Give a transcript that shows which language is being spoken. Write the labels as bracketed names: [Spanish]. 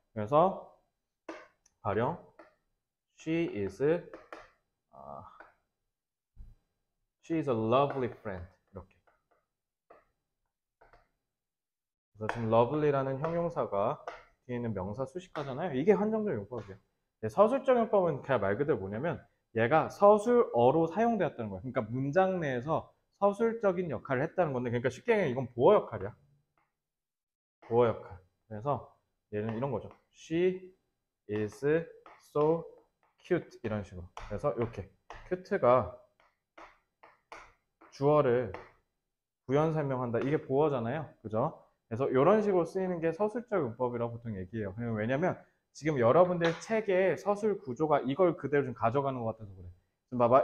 [Korean] 그래서 가령 [English] she is a lovely friend. [Korean] 그래서 지금 lovely라는 형용사가 뒤에 있는 명사 수식하잖아요. 이게 한정적 용법이에요. 서술적 용법은 그냥 말 그대로 뭐냐면 얘가 서술어로 사용되었다는 거예요. 그러니까 문장 내에서 서술적인 역할을 했다는 건데 그러니까 쉽게 얘기하면 이건 보어 역할이야. 보어 역할. 그래서 얘는 이런 거죠. [English] She is so cute [Korean] 이런 식으로. 그래서 이렇게 큐트가 주어를 구현 설명한다. 이게 보어잖아요. 그죠? 그래서 이런 식으로 쓰이는 게 서술적 용법이라고 보통 얘기해요. 왜냐면 지금 여러분들 책의 서술 구조가 이걸 그대로 좀 가져가는 것 같아서 그래. 지금 봐봐.